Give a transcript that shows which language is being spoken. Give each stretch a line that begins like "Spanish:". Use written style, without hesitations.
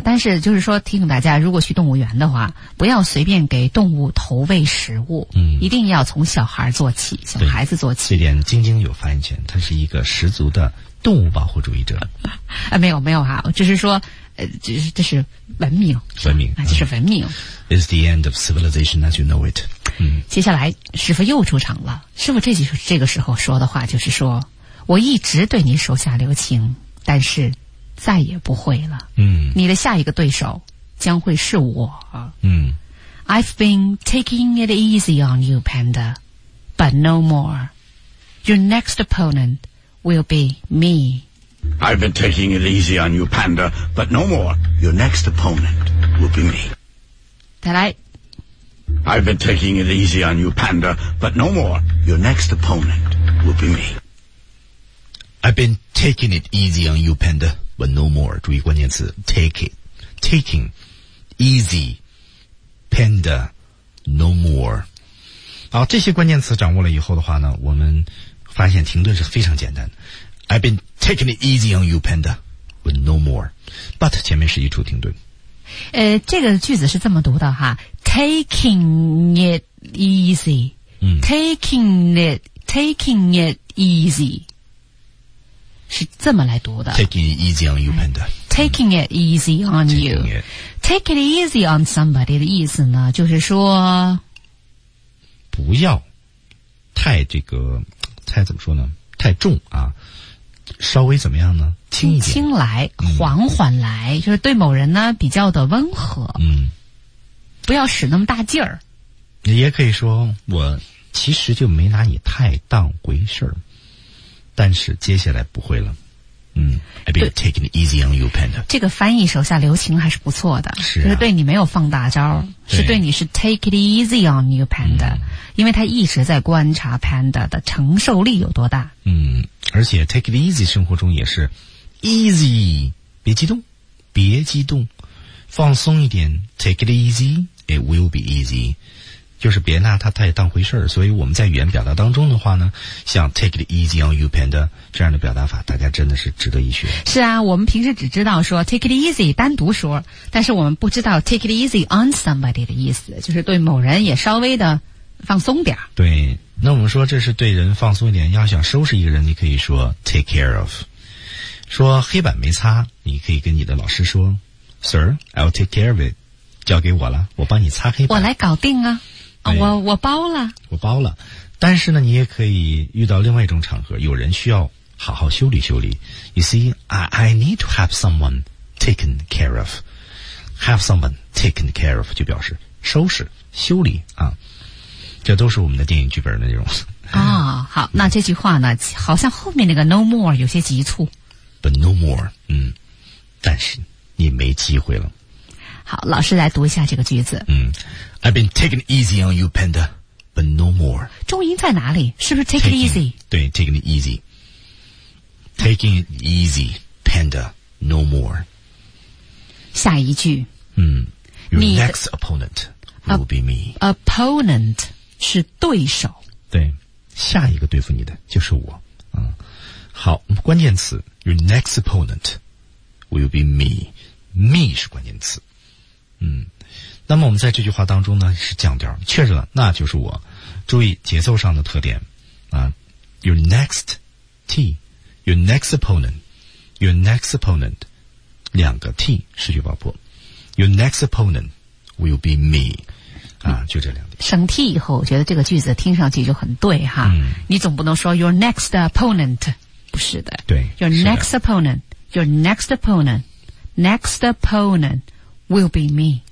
Chinese: 但是就是说，提醒大家，如果去动物园的话，不要随便给动物投喂食物。嗯。一定要从小孩做起，小孩子做起。这点晶晶有发言权，他是一个十足的动物保护主义者。啊，没有没有哈、啊，只是说。这是文明，文明啊，这是文明。
English: It's the end of civilization as you know it。嗯，
Chinese: 接下来师傅又出场了。师傅这个时候说的话就是说，我一直对你手下留情，但是再也不会了。嗯，你的下一个对手将会是我。嗯
English: ，I've been taking it easy on you, Panda, but no more. Your next opponent will be me. I've been taking it easy on you, Panda, but no more. Your next opponent will be me.
Chinese: 再来。
English: I've been taking it easy on you, Panda, but no more. Your next opponent will be me. I've been taking it easy on you, Panda, but no more.
Chinese: 注意关键词
English: take it, taking, easy, Panda, no more.
Chinese: 好，这些关键词掌握了以后的话呢，我们发现停顿是非常简单的。
English: I've been taking it easy on you, Panda, with no more.
Chinese: But 前面是一处停顿。这个句子是这么读的哈 ，
English: taking it easy, taking it easy，
Chinese: 是这么来读的。
English: Taking it easy on you, Panda. Taking it easy on you. Take it easy on somebody
Chinese: 的意思呢，就是说不要太这个，太怎么说呢？太重啊。稍微怎么样呢，轻一点，轻来，缓缓来、嗯、就是对某人呢比较的温和，嗯，不要使那么大劲儿。也可以说我其实就没拿你太当回事儿，但是接下来不会了。
English: 嗯 ，I've been taking it easy on you, Panda。
Chinese: 这个翻译手下留情还是不错的，是、啊、就是对你没有放大招，是对你是
English: take it easy on you, Panda、嗯。
Chinese: 因为他一直在观察 Panda 的承受力有多大。嗯，而且 take it easy 生活中也是 easy， 别激动，别激动，放松一点 ，
English: take it easy, it will be easy。
Chinese: 就是别拿他太当回事儿，所以我们在语言表达当中的话呢，像
English: take it easy on you, Panda
Chinese: 这样的表达法，大家真的是值得一学。是啊，我们平时只知道说 take it easy 单独说，但是我们不知道
English: take it easy on somebody
Chinese: 的意思，就是对某人也稍微的放松点。对，那我们说这是对人放松一点，要想收拾一个人，你可以说 take care of。说黑板没擦，你可以跟你的老师说
English: Sir, I'll take care of it,
Chinese: 交给我了，我帮你擦黑板，我来搞定啊，我包了。但是呢，你也可以遇到另外一种场合，有人需要好好修理修理。
English: You see, I need to have someone taken care of. Have someone taken care of
Chinese: 就表示收拾修理啊，这都是我们的电影剧本的内容啊。好，那这句话呢，好像后面那个 no more 有些急促。
English: But no more,
Chinese: 但是你没机会了。好，老师来读一下这个句子。
English: I've been taking easy on you, Panda, but no more.
Chinese: 重音在哪里？是不是
English: take it easy? 对 ，taking it easy, taking it easy, Panda, no more.
Chinese: 下一句。
English: Your next opponent will be me.
Chinese: Opponent 是对手。对，下一个对付你的就是我。好，关键词 ，
English: your next opponent will be me.
Chinese: Me 是关键词。那么我们在这句话当中呢，是降调，确认了，那就是我。注意节奏上的特点啊 ，your next T, your next opponent, your next opponent, 两个 T 失去爆破 ，
English: your next opponent will be me。
Chinese: 就这两点。省 T 以后，我觉得这个句子听上去就很对哈。你总不能说
English: your next opponent。
Chinese: 不是的，对
English: ，your next opponent, your next opponent, next opponent will be me.